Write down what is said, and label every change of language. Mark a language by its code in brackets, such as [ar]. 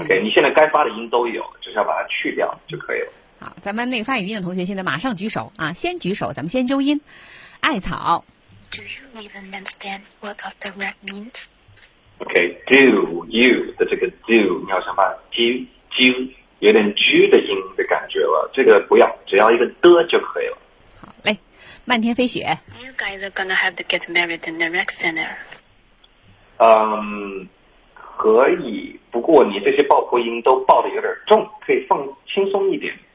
[zh] OK， 你现在该发的音都有，只是要把它去掉就可以了。好，咱们那个发语音的同学现在马上举手啊，先举手，咱们先纠音。艾草。 [en] Do you even understand what off the rack means? [zh] OK， [en] do you [zh] 的这个 do， 你要想把 do。有点拘的音的感觉了，这个不要，只要一个的就可以了。好嘞，漫天飞雪。 [en] You guys are gonna have to get married in the rec center. [zh] 可以，不过你这些爆破音都爆的有点重，可以放轻松一点。